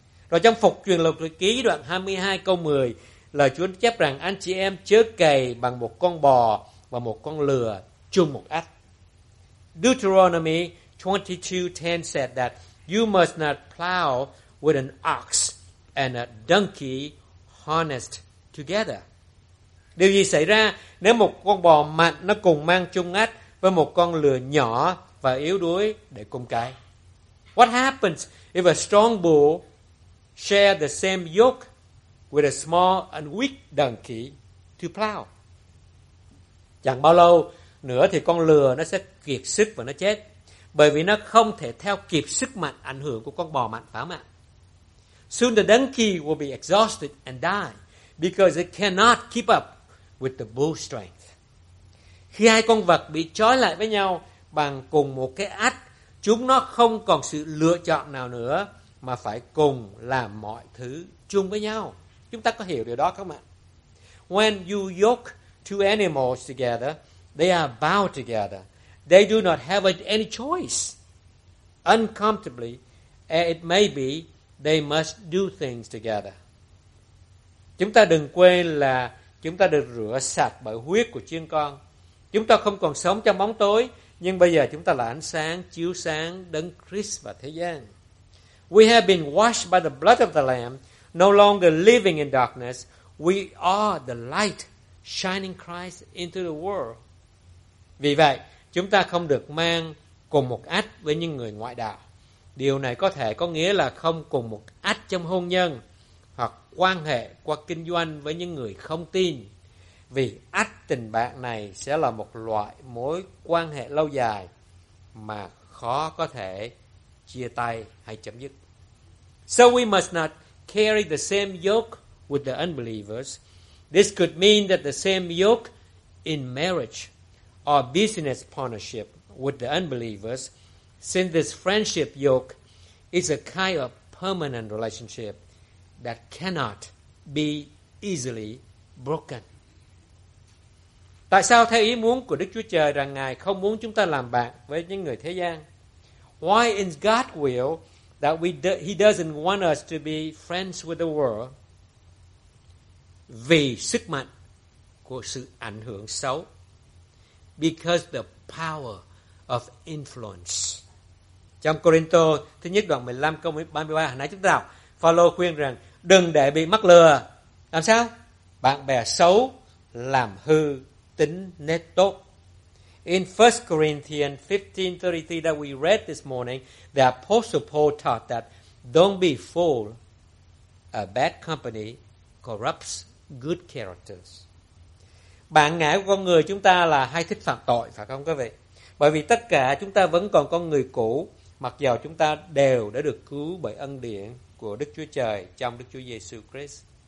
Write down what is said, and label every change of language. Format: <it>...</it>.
<vi>Rồi trong Phục Truyền Luật Ký đoạn 22 câu 10, lời Chúa chép rằng anh chị em chớ cày bằng một con bò và một con lừa chung một ắt.</vi> <en>Deuteronomy 22:10 said that you must not plow with an ox and a donkey harnessed together.</en> <vi>Điều gì xảy ra nếu một con bò mạnh nó cùng mang chung ắt với một con lừa nhỏ và yếu đuối để cùng cái?</vi> <en>What happens if a strong bull share the same yoke with a small and weak donkey to plow?</en> <vi>Chẳng bao lâu nữa thì con lừa nó sẽ kiệt sức và nó chết, bởi vì nó không thể theo kịp sức mạnh ảnh hưởng của con bò mạnh phá mạnh.</vi> <en>Soon the donkey will be exhausted and die because it cannot keep up with the bull strength.</en> <vi>Khi hai con vật bị trói lại với nhau bằng cùng một cái ắt, chúng nó không còn sự lựa chọn nào nữa mà phải cùng làm mọi thứ chung với nhau. Chúng ta có hiểu điều đó không ạ?</vi> <en>When you yoke two animals together, they are bound together. They do not have any choice. Uncomfortably, it may be, they must do things together.</en> <vi>Chúng ta đừng quên là chúng ta được rửa sạch bởi huyết của chiên con. Chúng ta không còn sống trong bóng tối, nhưng bây giờ chúng ta là ánh sáng chiếu sáng Đấng Christ và thế gian.</vi> <en>We have been washed by the blood of the Lamb, no longer living in darkness. We are the light shining Christ into the world.</en> <vi>Vì vậy, chúng ta không được mang cùng một ắt với những người ngoại đạo. Điều này có thể có nghĩa là không cùng một ắt trong hôn nhân hoặc quan hệ qua kinh doanh với những người không tin. Vì ắt tình bạn này sẽ là một loại mối quan hệ lâu dài mà khó có thể chia tay hay chấm dứt.</vi> <en>So we must not carry the same yoke with the unbelievers. This could mean that the same yoke in marriage or business partnership with the unbelievers, since this friendship yoke is a kind of permanent relationship that cannot be easily broken.</en> <vi>Tại sao theo ý muốn của Đức Chúa Trời rằng Ngài không muốn chúng ta làm bạn với những người thế gian?</vi> <en>Why in God's will that he doesn't want us to be friends with the world?</en> <vi>Vì sức mạnh của sự ảnh hưởng xấu.</vi> <en>Because the power of influence.</en> <vi>Trong Cô-rinh-tô thứ nhất đoạn 15 câu 33, hồi nãy chúng ta đọc, Phao-lô khuyên rằng đừng để bị mắc lừa. Làm sao? Bạn bè xấu làm hư tính nét tốt.</vi> <en>In 1 Corinthians 15:33 that we read this morning, the Apostle Paul taught that don't be fooled. A bad company corrupts good characters.</en> <vi>Bản ngã của con người chúng ta là hay thích phạm tội, phải không quý vị? Bởi vì tất cả chúng ta vẫn còn con người cũ, mặc dầu chúng ta đều đã được cứu bởi ân điển của Đức Chúa Trời trong Đức Chúa Giêsu Christ.</vi>